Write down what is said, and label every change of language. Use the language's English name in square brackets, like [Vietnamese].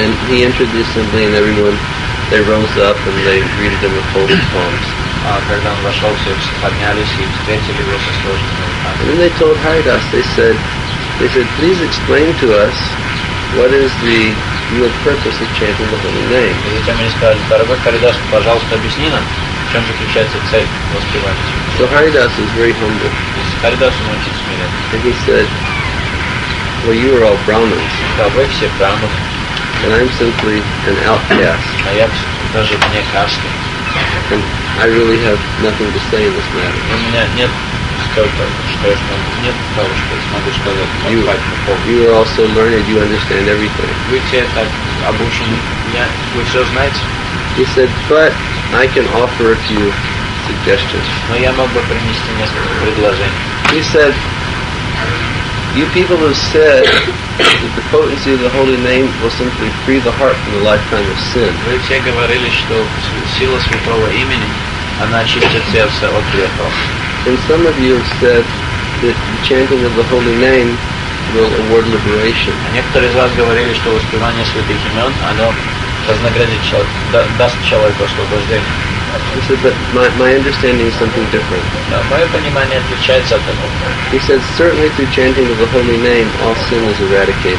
[English] And he entered the assembly, and everyone, they rose up and they greeted him with folded palms. [Russian] Когда он вошел, все поднялись и встретили его со сложенными руками. [English] And then they told Haridasa, they said, please explain to us what is the real purpose of chanting the holy name. [Russian] И затем они сказали: дорогой Харидаса, пожалуйста, объясни нам, в чем заключается цель воспевания. [English] So Haridasa is very humble. Haridasa was very humble. And he said, well, you are all Brahmins. [Russian] Да, вы все Брахманы. [English] And I'm simply an outcast. [Russian] А я даже вне касты. [English] And I really have nothing to say in this matter. [Russian] У меня нет что-то, что я смогу, нет того, что я смогу сказать. [English] You are all so learned, you understand everything. [Russian] Вы все так обучены, вы все знаете. [English] He said, but I can offer a few suggestions. [Russian] Но я мог бы принести несколько предложений. [English] He said, you people have said that the potency of the holy name will simply free the heart from the lifetime of sin. [Russian] Вы все говорили, что сила святого имени, она очистит сердце от грехов. [English] And some of you have said that the chanting of the holy name will award liberation. [Russian] А некоторые из вас говорили, что воспевание святых имен, оно вознаградит человека, даст человеку освобождение. [English] He said, but my understanding is something different. He said, certainly through chanting of the holy name, all sin is eradicated.